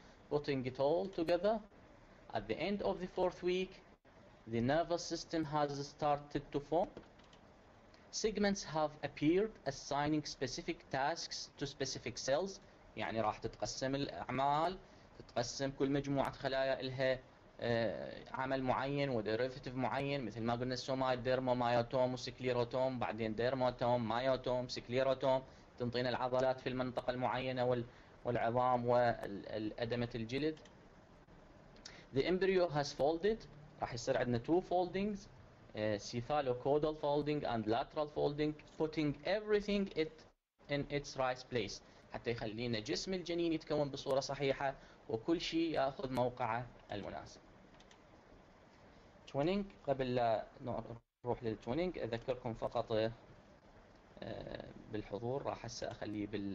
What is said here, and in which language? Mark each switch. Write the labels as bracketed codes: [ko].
[en] Putting it all together at the end of the fourth week the nervous system has started to form. Segments have appeared assigning specific tasks to specific cells. [ar] يعني راح تتقسم الأعمال، تتقسم كل مجموعة خلايا لها عمل معين وديريفيتيف معين، مثل ما قلنا السومايت ديرمو مايوتوم وسكليروتوم، بعدين ديرموتوم مايوتوم سكليروتوم، تنطينا العضلات في المنطقة المعينة والعظام والأدمة الجلد. [en] The embryo has folded، [ar] راح يصير عندنا [en] two foldings، cephalocaudal folding and lateral folding, putting everything it in its right place، [ar] حتى يخلينا جسم الجنين يتكون بصورة صحيحة وكل شيء يأخذ موقعه المناسب. توينينج، قبل لا نروح للتوينينج أذكركم فقط بالحضور، راح هسه أخليه